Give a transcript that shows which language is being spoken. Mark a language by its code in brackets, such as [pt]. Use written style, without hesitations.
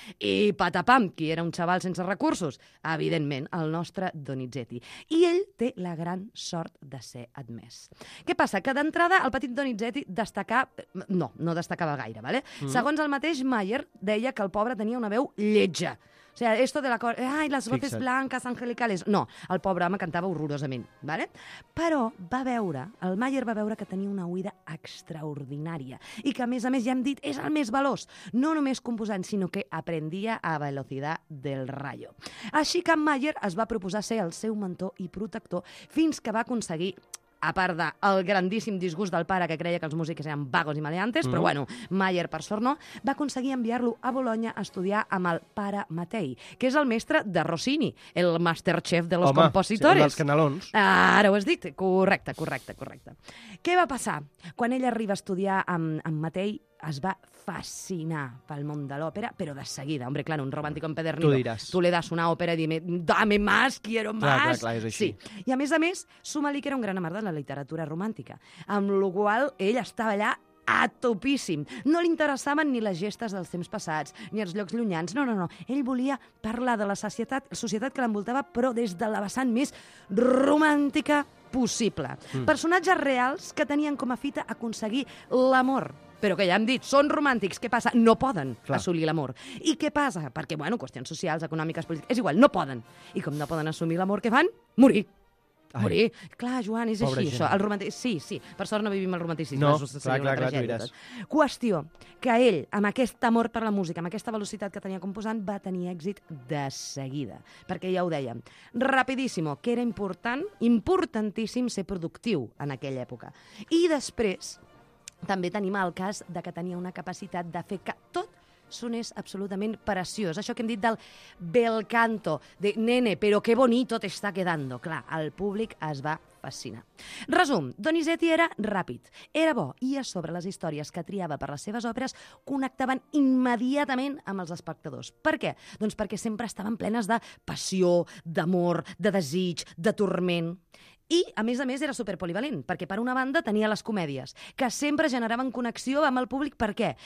[ca] I patapam, qui era un xaval sense recursos? Evidentment, el nostre Donizetti. I ell té la gran sort de ser admès. Què passa? Que d'entrada el petit Donizetti no destacava gaire, vale? Segons el mateix Mayer, deia que el pobre tenia una veu lletja. [es] sea, esto de la ay, las voces blanques, angelicales... No, el pobre home cantava horrorosament, ¿vale? [ca] Però va veure, el Mayer va veure que tenia una oïda extraordinària i que, a més, ja hem dit, és el més veloç, no només composant, sinó que aprendia a velocidad del rayo. Així que Mayer es va proposar ser el seu mentor i protector fins que va aconseguir... A part del grandíssim disgust del pare que creia que els músics eren vagos i maleantes, però bueno, Mayer, per sort no, va aconseguir enviar-lo a Bologna a estudiar amb el pare Mattei, que és el mestre de Rossini, el masterchef de los compositores. Home, sí, dels canelons. Ara ho has dit. Correcte, correcte, correcte. Què va passar? Quan ell arriba a estudiar amb Mattei, es va fascinar pel món de l'òpera, però de seguida, hombre, claro, un romàntic empedernido. Tu diràs. [es] Tu li das una òpera i dime, dame más, quiero más. [ca] Clar, clar, és així. Sí. I a més, Sumalic era un gran amant de la literatura romàntica, amb la qual ell estava allà a topíssim. No li interessaven ni les gestes dels temps passats, ni els llocs llunyans. No, no, no. Ell volia parlar de la societat, que l'envoltava, però des de la vessant més romàntica possible. Mm. Personatges reals que tenien com a fita aconseguir l'amor. Però que ja hem dit, són romàntics, què passa? No poden assolir l'amor. I què passa? Perquè, bueno, qüestions socials, econòmiques, polítiques... És igual, no poden. I com no poden assumir l'amor, què fan? Morir. Ai. Morir. Clar, Joan, és pobre així, gent. Això. El romàntic... Sí, sí, per sort no vivim el romanticisme. No, clar, tu diràs. Qüestió, que ell, amb aquest amor per la música, amb aquesta velocitat que tenia composant, va tenir èxit de seguida. Perquè ja ho dèiem, rapidíssimo, que era important, importantíssim ser productiu en aquella època. I després... També tenim el cas de que tenia una capacitat de fer que tot sonés absolutament preciós. Això que hem dit del bel canto, de nene, però que bonito te está quedando. Clar, el públic es va fascinar. Resum, Donizetti era ràpid, era bo, i a sobre les històries que triava per les seves obres connectaven immediatament amb els espectadors. Per què? Doncs perquè sempre estaven plenes de passió, d'amor, de desig, de turment... I, a més, era superpolivalent, perquè per una banda tenia les comèdies, que sempre generaven connexió amb el públic. Per què?